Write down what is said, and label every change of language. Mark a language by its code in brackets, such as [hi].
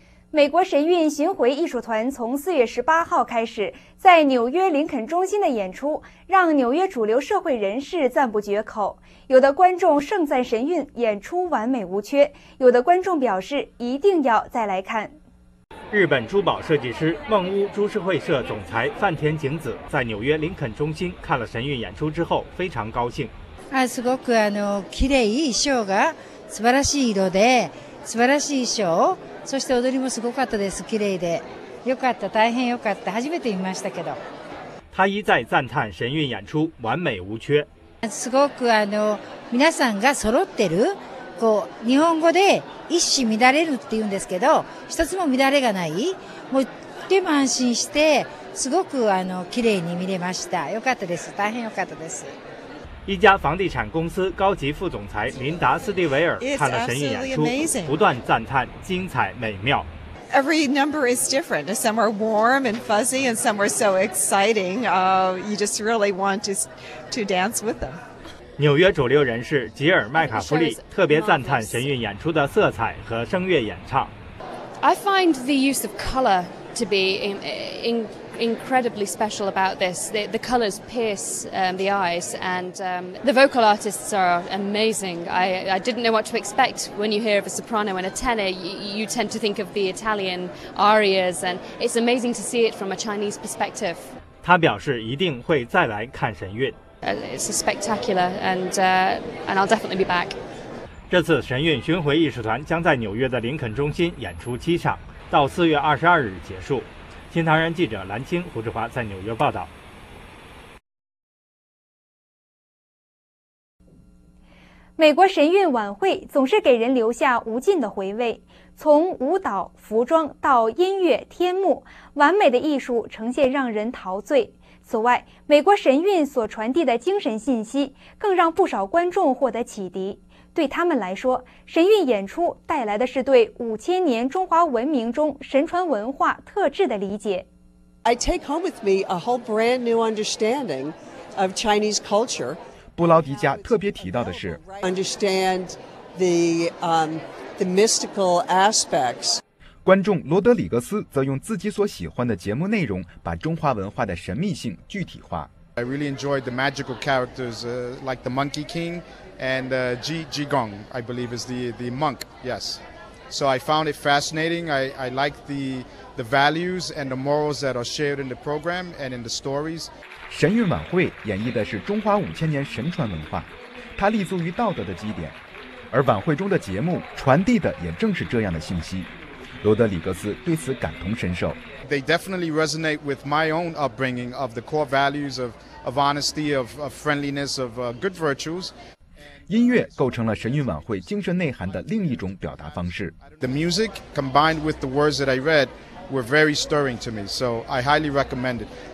[zh] 美国神韵巡回艺术团从4月18号开始在纽约林肯中心的演出，让纽约主流社会人士赞不绝口。有的观众盛赞神韵演出完美无缺，有的观众表示一定要再来看。日本珠宝设计师梦屋株式会社总裁饭田景子在纽约林肯中心看了神韵演出之后非常高兴。 [ja] すごく綺麗衣装が素晴らしい色で素晴らしい衣装そして踊りもすごかったです綺麗で良かった大変良かった初めて見ましたけど。 [zh] 他一再赞叹神韵演出完美无缺。 [ja] すごく皆さんが揃ってる。こう日本語で一糸乱れるって言うんですけど一つも乱れがないもうでも安心してすごく綺麗に見れましたよかったです大変よかったです。 [zh] 一家房地产公司高级副总裁琳达斯蒂维尔看了神韵演出不断赞叹精彩美妙。 [en] Every number is different. Some are warm and fuzzy and some are so exciting. You just really want to dance with them. [zh] 纽约主流人士吉尔·麦卡弗利特别赞叹神韵演出的色彩和声乐演唱。 [en] I find the use of color to be incredibly special about this. The colors pierce the eyes, and the vocal artists are amazing. I didn't know what to expect when you hear of a soprano and a tenor. You tend to think of the Italian arias, and it's amazing to see it from a Chinese perspective. [zh] 他表示一定会再来看神韵。 [en] It's a spectacular, and I'll definitely be back. [zh] 这次神韵巡回艺术团将在纽约的林肯中心演出7场，到4月22日结束。新唐人记者蓝青、胡志华在纽约报道。美国神韵晚会总是给人留下无尽的回味，从舞蹈、服装到音乐、天幕，完美的艺术呈现让人陶醉。此外，美国神韵所传递的精神信息更让不少观众获得启迪。对他们来说，神韵演出带来的是对5000年中华文明中神传文化特质的理解。 [en] I take home with me a whole brand new understanding of Chinese culture. [zh] 布劳迪加特别提到的是 [en] ，understand the mystical aspects. [zh] 观众罗德里格斯则用自己所喜欢的节目内容把中华文化的神秘性具体化。 [en] I really enjoyed the magical characters, like the Monkey King and Ji Gong, I believe is the monk, yes. So I found it fascinating. I like the values and the morals that are shared in the program and in the stories. [zh] 神韵晚会演绎的是中华五千年神传文化，它立足于道德的基点，而晚会中的节目传递的也正是这样的信息。罗德里格斯对此感同身受。 [en] They definitely resonate with my own upbringing of the core values of honesty, of friendliness, of good virtues. [zh] 音乐构成了神韵晚会精神内涵的另一种表达方式。 [en] The music combined with the words that I read were very stirring to me, so I highly recommend it.